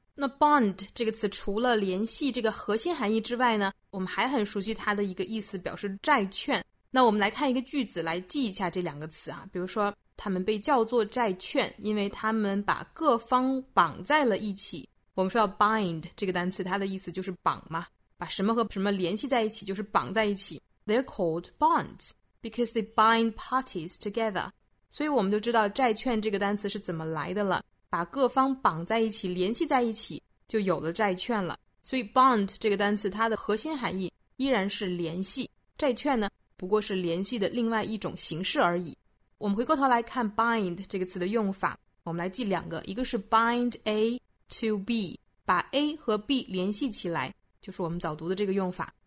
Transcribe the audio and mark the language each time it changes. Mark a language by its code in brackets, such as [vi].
[zh] 那 bond 这个词除了联系这个核心含义之外呢，我们还很熟悉它的一个意思，表示债券。那我们来看一个句子来记一下这两个词啊，比如说他们被叫做债券，因为他们把各方绑在了一起。我们说要 bind 这个单词，它的意思就是绑嘛，把什么和什么联系在一起，就是绑在一起。 [en] They're called bonds because they bind parties together。 [zh] 所以我们就知道债券这个单词是怎么来的了，把各方绑在一起，联系在一起，就有了债券了。所以 bond 这个单词它的核心含义依然是联系，债券呢不过是联系的另外一种形式而已。我们回过头来看 bind 这个词的用法，我们来记两个，一个是 bind A to B， 把 A 和 B 联系起来，就是我们早读的这个用法。